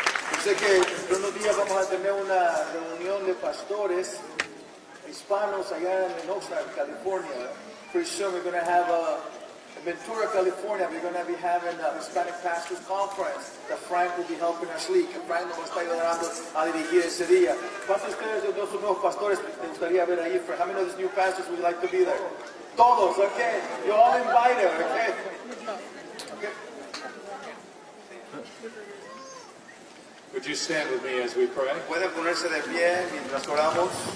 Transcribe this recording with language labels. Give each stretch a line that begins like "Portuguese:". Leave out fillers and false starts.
Spanish: Dice que unos días vamos a tener una reunión de pastores hispanos allá en Mendoza, California.
English: Pretty soon we're going to have a Ventura, California. We're going to be having a Hispanic Pastors Conference that Frank will be helping us lead.
Spanish: Que Frank nos está ayudando a dirigir ese día. ¿Cuántos de ustedes, nuevos pastores, te gustaría ver ahí?
English: How many of these new pastors would you like to be there?
Spanish: Todos,
English: okay? You're all invited, okay? Okay. Would you stand with me as we pray?
Spanish: ¿Puede ponerse de pie mientras oramos?